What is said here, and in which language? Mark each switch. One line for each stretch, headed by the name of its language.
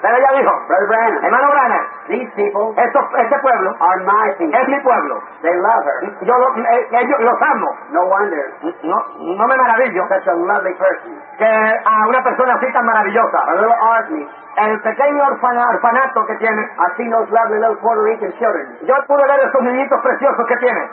Spanish: pero ella dijo,
English: Brother Branham,
Spanish: hermano Branham,
English: these people,
Spanish: este pueblo,
English: are my people.
Spanish: Es mi pueblo.
English: They love her.
Spanish: Yo los amo.
English: No wonder.
Spanish: No me maravillo.
English: Such a lovely person.
Spanish: Que a una persona así tan maravillosa.
English: A little army.
Spanish: El pequeño orfanato que tiene.
English: I see those lovely little Puerto Rican children.
Spanish: Yo pude ver esos niñitos preciosos que tiene.